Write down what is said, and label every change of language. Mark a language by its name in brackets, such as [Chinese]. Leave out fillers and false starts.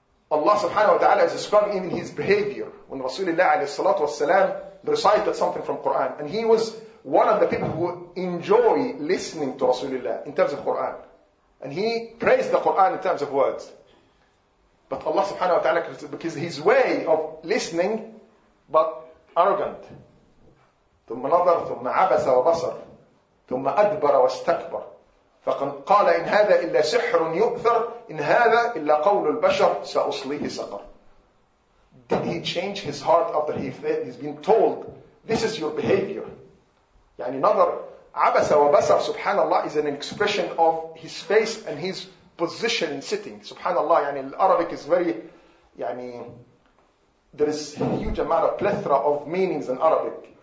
[English] Allah subhanahu wa ta'ala is describing in his behavior when Rasulullah alayhi salatu wasalam recited something from Quran, and he was one of the people who enjoy listening to Rasulullah in terms of Quran, and he praised the Quran in terms of words. But Allah subhanahu wa ta'ala, because his way of listening but arrogant, [Arabic] ثم نظر ثم عبس وبصر ثم أدبر واستكبر فقال إن هذا إلا سحر يؤثر إن هذا إلا قول البشر سأصليه سقر. [English] Did he change his heart after he's been told this is your behavior? [Arabic] يعني نظر عبس وبصر [English] subhanallah is an expression of his face and his position in sitting. Subhanallah, يعني Arabic is very, يعني there is a huge amount of plethora of meanings in Arabic.